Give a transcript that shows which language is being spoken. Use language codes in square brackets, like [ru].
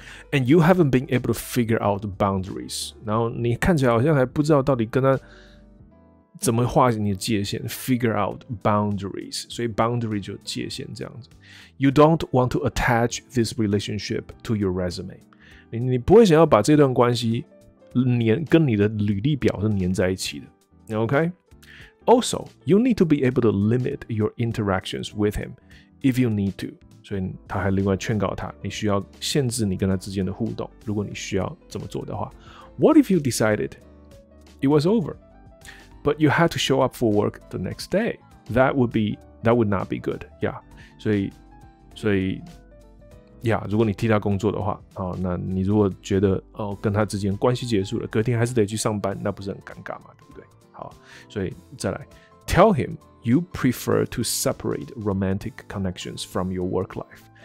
[en] And you haven't been able to figure out boundaries. [zh] 然后你看起来好像还不知道到底跟他怎么划你的界限 ， [en] figure out boundaries. [zh] 所以 boundary 就界限这样子。 [en] You don't want to attach this relationship to your resume. [zh] 你不会想要把这段关系跟你的履历表是粘在一起的。 [en] Okay. Also, you need to be able to limit your interactions with him if you need to. [zh] 所以他还另外劝告他，你需要限制你跟他之间的互动。如果你需要这么做的话 [en] ，What if you decided it was over, but you had to show up for work the next day? That would not be good. Yeah. [zh] 所以呀，如果你替他工作的话，好，那你如果觉得哦跟他之间关系结束了，隔天还是得去上班，那不是很尴尬嘛，对不对？好，所以再来 [en] ，tell him you prefer to separate romantic connections from your work life。